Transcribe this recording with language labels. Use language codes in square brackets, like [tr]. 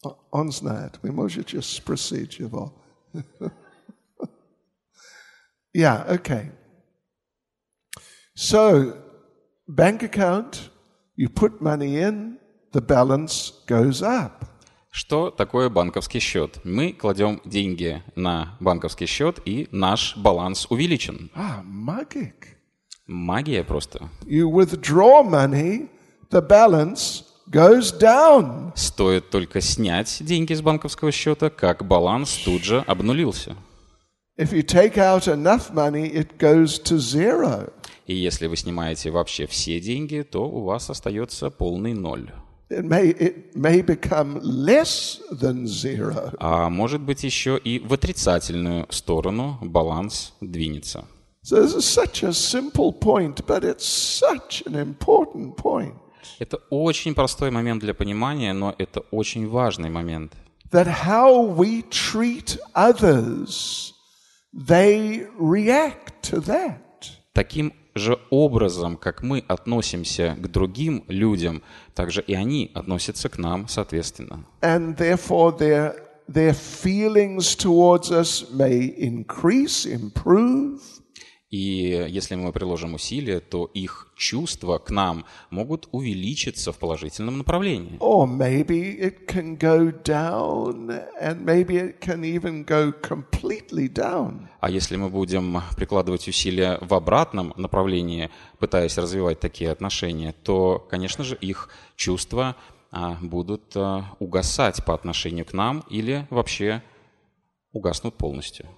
[ru] Он знает, вы можете спросить его. [en] Yeah, okay. So, bank account, you put money in, the balance goes up. [ru] Что такое банковский счет? Мы кладем деньги на банковский счет, и наш баланс увеличен. [en] Ah, magic. [ru] Магия просто. [en] You withdraw money, the balance goes down. [ru] Стоит только снять деньги с банковского счета, как баланс тут же обнулился. [en] If you take out enough money, it goes to zero. [ru] И если вы снимаете вообще все деньги, то у вас остается полный ноль. [en] It may become less than zero. [ru] А может быть еще и в отрицательную сторону баланс двинется. [en] So this is such a simple point, but it's such an important point. [ru] Это очень простой момент для понимания, но это очень важный момент. [en] That how we treat others, they react to that. [ru] Таким же образом, как мы относимся к другим людям, так же и они относятся к нам соответственно. [en] And therefore their feelings towards us may increase, improve. [ru] И если мы приложим усилия, то их чувства к нам могут увеличиться в положительном направлении. [en] Or maybe it can go down, and maybe it can even go completely down. [ru] А если мы будем прикладывать усилия в обратном направлении, пытаясь развивать такие отношения, то, конечно же, их чувства будут угасать по отношению к нам или вообще угаснут полностью.